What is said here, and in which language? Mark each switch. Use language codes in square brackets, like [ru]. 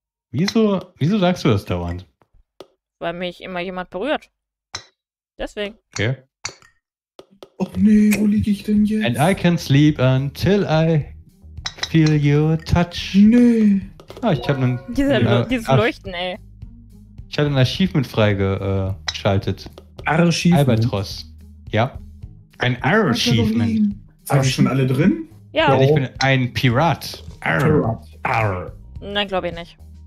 [de] Wieso sagst du das dauernd? Weil mich immer jemand berührt. Deswegen. Okay. Oh nee, wo liege ich denn jetzt? [en] And I can sleep until I feel your touch. [de] Nee. Ah, ich hab nen. Dieses Leuchten, ey. Ich hatte ein Achievement freigeschaltet. Archiv. Albatros. Ja. Ein Archivement. Sind schon alle drin? Ja. Ich bin ein Pirat. Arr. Nein, glaube ich nicht.